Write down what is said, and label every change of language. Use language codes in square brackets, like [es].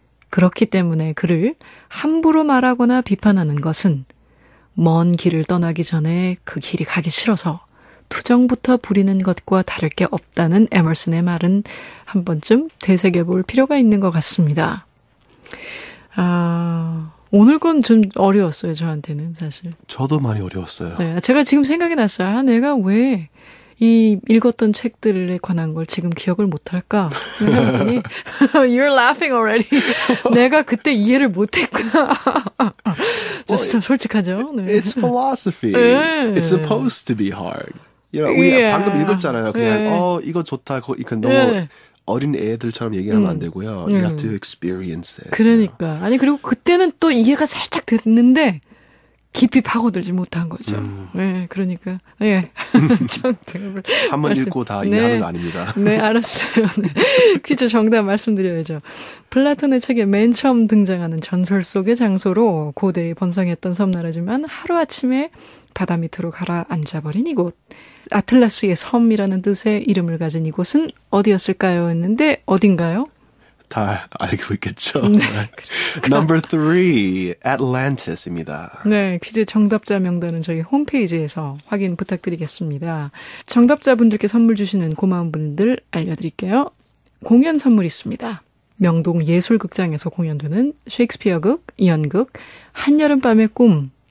[ko] 그렇기 때문에 그를 함부로 말하거나 비판하는 것은 먼 길을 떠나기 전에 그 길이 가기 싫어서 투정부터 부리는 것과 다를 게 없다는 에머슨의 말은 한 번쯤 되새겨볼 필요가 있는 것 같습니다. 아, 오늘 건 좀 어려웠어요, 저한테는 사실. 저도 많이 어려웠어요. 네, 제가 지금 생각이 났어요. 아, 내가 왜 이 읽었던 책들에 관한 걸 지금 기억을 못할까? [en] You're laughing already. [ko] 내가 그때 이해를 못했구나. 저 well, 참 솔직하죠. [en] 네. It's philosophy. 네. It's supposed to be hard. You know, 우리 yeah. [ko] 방금 읽었잖아요. 그냥 네. 어 이거 좋다. 이건 너무 네. 어린 애들처럼 얘기하면 안 되고요. [en] You have to experience it. 그러니까 you know? [ko] 아니 그리고 그때는 또 이해가 살짝 됐는데. 깊이 파고들지 못한 거죠. 네, 그러니까. 예. 정답을. 한번 읽고 다 이해하는 네. 거 아닙니다. 네, 알았어요. 네. 퀴즈 정답 말씀드려야죠. 플라톤의 책에 맨 처음 등장하는 전설 속의 장소로 고대에 번성했던 섬나라지만 하루아침에 바다 밑으로 가라앉아버린 이곳. 아틀라스의 섬이라는 뜻의 이름을 가진 이곳은 어디였을까요? 했는데 어딘가요? 다 알고 있겠죠. 네. [en] Number 3, [ko] Atlantis입니다. 네, 퀴즈 정답자 명단은 저희 홈페이지에서 확인 부탁드리겠습니다. 정답자분들께 선물 주시는 고마운 분들 알려드릴게요. 공연 선물 있습니다. 명동 예술극장에서 공연되는 셰익스피어극, 연극, 한여름밤의 꿈.